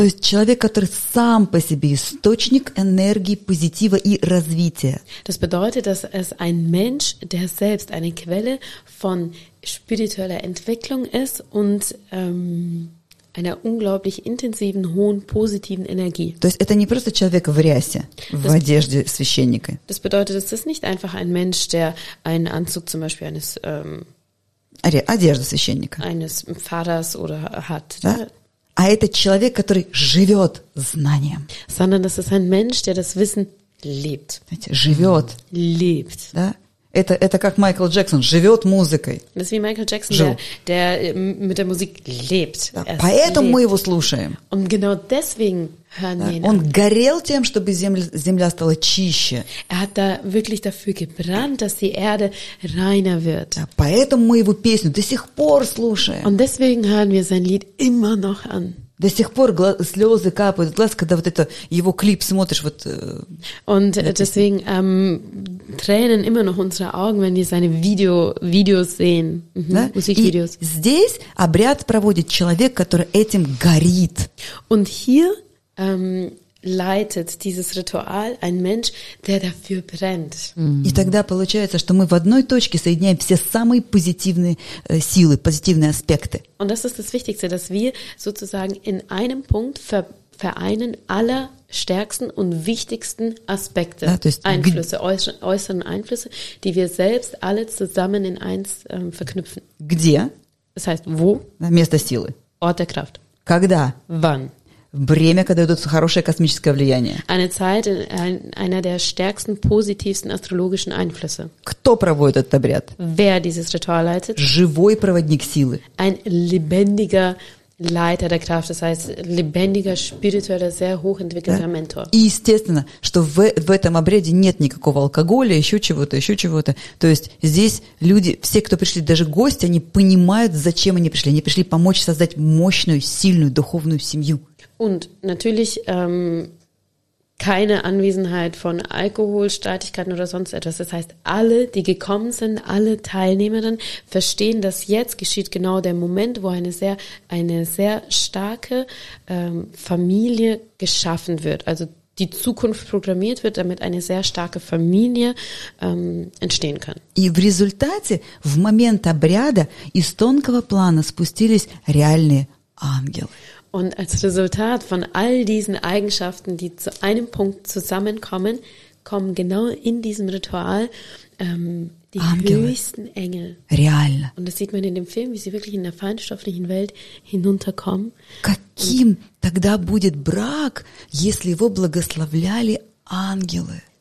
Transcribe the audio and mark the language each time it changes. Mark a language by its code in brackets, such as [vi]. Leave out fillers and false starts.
[ru] То есть человек, который сам по себе источник энергии, позитива и развития. [de] Das bedeutet, dass es ein Mensch, der selbst eine Quelle von spiritueller Entwicklung ist und einer unglaublich intensiven, hohen, positiven Energie. [ru] То есть это не просто человек в рясе, в одежде священника. [de] Das bedeutet, es ist nicht einfach ein Mensch, der einen Anzug zum Beispiel eines [ru] одежда священника. [de] Eines Pfarrers oder hat, [ru] да? А это человек, который живет знанием. [de] Sondern das ist ein Mensch, der das Wissen lebt. [ru] Живет. [de] Lebt. [ru] Да? Это как Майкл Джексон, живет музыкой. [de] Das ist wie Michael Jackson, der mit der Musik lebt. [ru] Да, поэтому lebt. Мы его слушаем. [de] Und genau deswegen hören wir ihn. [ru] Он горел тем, чтобы земля стала чище. [de] Er hat da wirklich dafür gebrannt, dass die Erde reiner wird. [ru] Да, поэтому мы его песню до сих пор слушаем. [de] Und deswegen hören wir sein Lied immer noch an. [ru] До сих пор слезы капают глаз, когда вот это его клип смотришь. Вот, [de] Und deswegen tränen immer noch unsere Augen, wenn wir seine Videos sehen. Да? Musikvideos. [ru] И здесь обряд проводит человек, который этим горит. [de] Und hier leitet dieses Ritual ein Mensch, der dafür brennt. [ru] И тогда получается, что мы в одной точке соединяем все самые позитивные силы, позитивные аспекты. [de] Und das ist das Wichtigste, dass wir sozusagen in einem Punkt vereinen alle stärksten und wichtigsten Aspekte, [ru] да, то есть, [de] Einflüsse, äußeren Einflüsse, die wir selbst alle zusammen in eins verknüpfen. [ru] Где? [de] Das heißt, wo? [ru] Место силы. [de] Ort der Kraft. [ru] Когда? [de] Wann? [ru] Время, когда идет хорошее космическое влияние. [de] Eine Zeit, einer der stärksten, positivsten astrologischen Einflüsse. [ru] Кто проводит этот обряд? [de] Wer dieses Ritual leitet? [ru] Живой проводник силы. [de] Ein lebendiger Leiter der Kraft, das heißt lebendiger, spiritueller, sehr hochentwickelter да? Mentor. [ru] И естественно, что в этом обряде нет никакого алкоголя, еще чего-то. То есть здесь люди, все, кто пришли, даже гости, они понимают, зачем они пришли. Они пришли помочь создать мощную, сильную духовную семью. [de] Und natürlich keine Anwesenheit von Alkohol, Streitigkeiten oder sonst etwas. Das heißt, alle, die gekommen sind, alle Teilnehmerinnen verstehen, dass jetzt geschieht genau der Moment, wo eine sehr starke Familie geschaffen wird. Also die Zukunft programmiert wird, damit eine sehr starke Familie entstehen kann. [ru] И в результате, в момент обряда, из тонкого плана спустились реальные ангелы. [de] Und als Resultat von all diesen Eigenschaften, die zu einem Punkt zusammenkommen, kommen genau in diesem Ritual die Ангелы. Höchsten Engel. [ru] Реально. [de] Und das sieht man in dem Film, wie sie wirklich in der feinstofflichen Welt hinunterkommen. [ru] Каким тогда будет брак, если его благословляли ангелы?